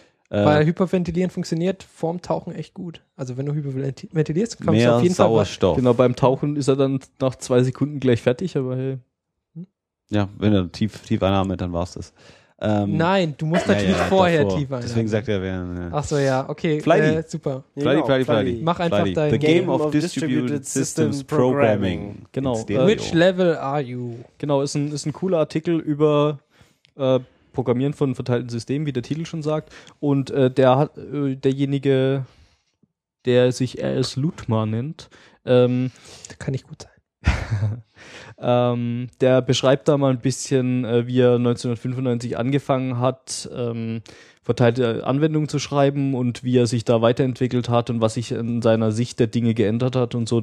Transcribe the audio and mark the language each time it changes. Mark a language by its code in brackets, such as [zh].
[de] Weil Hyperventilieren funktioniert vorm Tauchen echt gut. Also wenn du hyperventilierst, kommst du auf jeden Sauerstoff. Fall. Genau, beim Tauchen ist er dann nach 2 Sekunden gleich fertig, aber hey. Ja, wenn er tief einatmet, dann war's das. Nein, du musst natürlich vorher davor. Tief einatmen. Deswegen sagt er, wer. Ach so, ja, okay. Flighty. Super. Flighty. Mach einfach Flighty. [en] The Game of Distributed Systems Programming. [de] Genau. [en] Which level are you? [de] Genau, ist ein cooler Artikel über Programmieren von verteilten Systemen, wie der Titel schon sagt. Und derjenige, der sich R.S. Lutmar nennt, der kann nicht gut sein. Der beschreibt da mal ein bisschen, wie er 1995 angefangen hat, verteilte Anwendungen zu schreiben und wie er sich da weiterentwickelt hat und was sich in seiner Sicht der Dinge geändert hat und so.